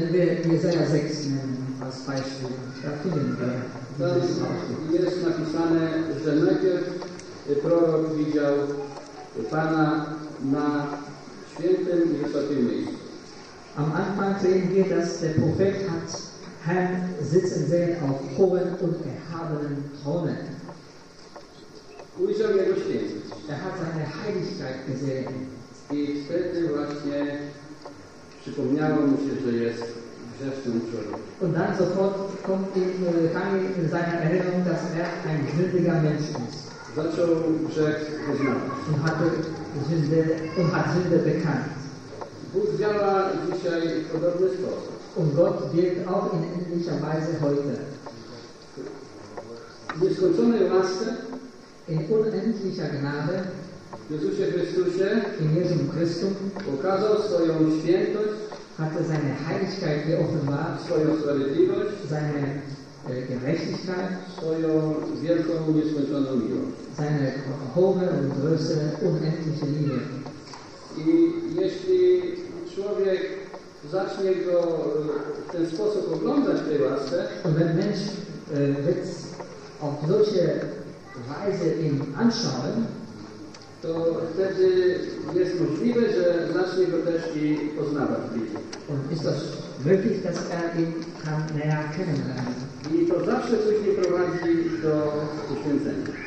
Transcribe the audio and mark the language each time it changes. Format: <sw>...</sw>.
<de>Wenn wir Jesaja 6 nennen, als Beispiel, da finden wir.</de> <pl>Tam jest napisane, że najpierw prorok widział Pana na świętym i wysokim miejscu.</pl> <de>Am Anfang sehen wir, dass der Prophet hat Herrn sitzen sehen auf hohen und erhabenen Thronen.</de> <pl>Ujrzał jego świętość.</pl> <de>Er hat seine Heiligkeit gesehen.</de> <pl>I wtedy właśnie przypomniało mu się, że jest grzesznym człowiekiem.</pl> <de>Und dann sofort kommt ihm in seiner Erinnerung, dass ein sündiger Mensch ist.</de> <pl>Zaczął grzech poznawać.</pl> <de>Und hat Sünde bekannt.</de> <pl>Bóg działa dzisiaj w podobny sposób.</pl> <de>Und Gott wirkt auch in ähnlicher Weise heute.</de> <pl>W nieskończonej łasce,</pl> <de>in unendlicher Gnade,</de> <pl>w Jezusie Chrystusie,</pl> <de>in Jezusem Chrystum,</de> <pl>pokazał swoją świętość,</pl> <de>hatte seine Heiligkeit geoffenbart,</de> <pl>swoją sprawiedliwość,</pl> <de>seine Gerechtigkeit,</de> <pl>swoją wielką, nieskończoną miłość,</pl> <de>seine hohe und größere, unendliche Liebe.</de> <pl>I jeśli człowiek zacznie go w ten sposób oglądać w tej łasce,</pl> <de>und wenn Mensch wird auf solche Weise ihn anschauen,</de> <pl>to wtedy jest możliwe, że zacznie go też i poznawać bliżej. I to zawsze coś nie prowadzi do uświęcenia.</pl>